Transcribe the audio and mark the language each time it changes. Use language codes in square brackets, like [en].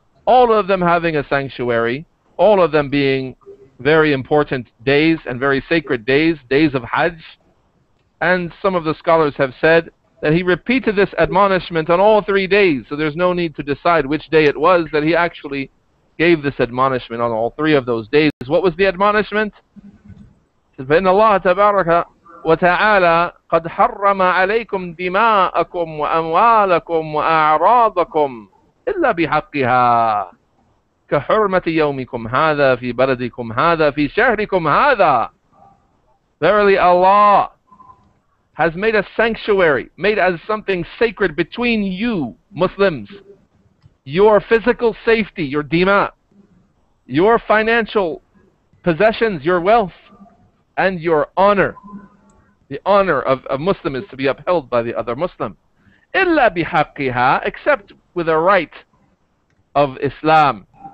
[en] All of them having a sanctuary. All of them being very important days and very sacred days, days of Hajj. And some of the scholars have said that he repeated this admonishment on all 3 days, so there's no need to decide which day it was that he actually gave this admonishment on all 3 of those days. What was the admonishment? [ar] فَإِنَّ اللَّهَ تَبَارَكَ وَتَعَالَى قَدْ حَرَّمَ عَلَيْكُمْ دِمَاءَكُمْ وَأَمْوَالَكُمْ وَأَعْرَاضَكُمْ إِلَّا بِحَقِّهَا كَحُرْمَةِ يَوْمِكُمْ هَذَا فِي بَلَدِكُمْ هَذَا فِي شَهْرِكُمْ هَذَا. [en] Verily Allah has made a sanctuary, made as something sacred between you, Muslims, your physical safety, your dima, your financial possessions, your wealth, and your honor. The honor of a Muslim is to be upheld by the other Muslim. [ar] إِلَّا بِحَقِّهَا, [en] except with a right of Islam.